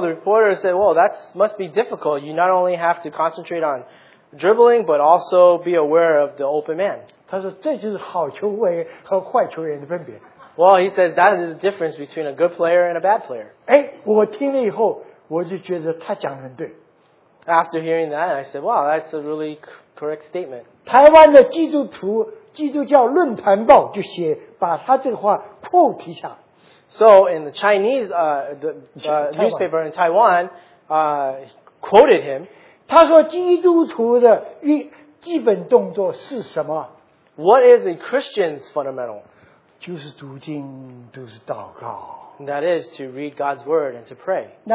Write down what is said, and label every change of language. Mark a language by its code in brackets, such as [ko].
[en] the reporter said, "Well, that must be difficult. You not only have to concentrate on dribbling, but also be aware of the open man." [zh] 他说这就是好球员和坏球员的分别。 [en] Well, he said that is the difference between a good player and a bad player. [zh] 哎，我听了以后，我就觉得他讲的很对。 [en] After hearing that, I said, wow, that's a really correct statement. [zh] 台湾的基督徒基督教论坛报就写把他这话quote一下。 [en] So in the Chinese newspaper in Taiwan, quoted him. [zh] 他说基督徒的基本动作是什么? [en] What is a Christian's fundamental? [zh] 就是读经，就是祷告。 [en] That is to read God's word and to pray.